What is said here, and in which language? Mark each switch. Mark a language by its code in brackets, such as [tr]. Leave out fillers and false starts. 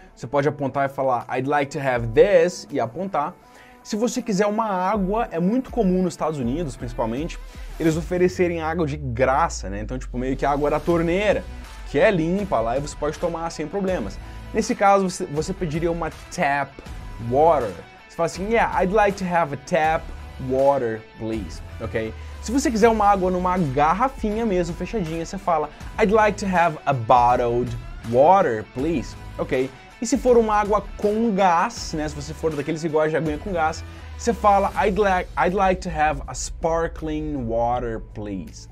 [pt] Você pode apontar e falar: [en] "I'd like to have this," [pt] e apontar. Se você quiser uma água, é muito comum nos Estados Unidos, principalmente, eles oferecerem água de graça, né? Então, tipo, meio que água da torneira, que é limpa lá e você pode tomar sem problemas. Nesse caso, você pediria uma tap water. Você fala assim: [en] "Yeah, I'd like to have a tap water, please." Ok? [pt] Se você quiser uma água numa garrafinha mesmo, fechadinha, você fala: [en] "I'd like to have a bottled water, please." [pt] Ok? E se for uma água com gás, né? Se você for daqueles que gosta de aguinha com gás, você fala: [en] I'd like to have a sparkling water, please.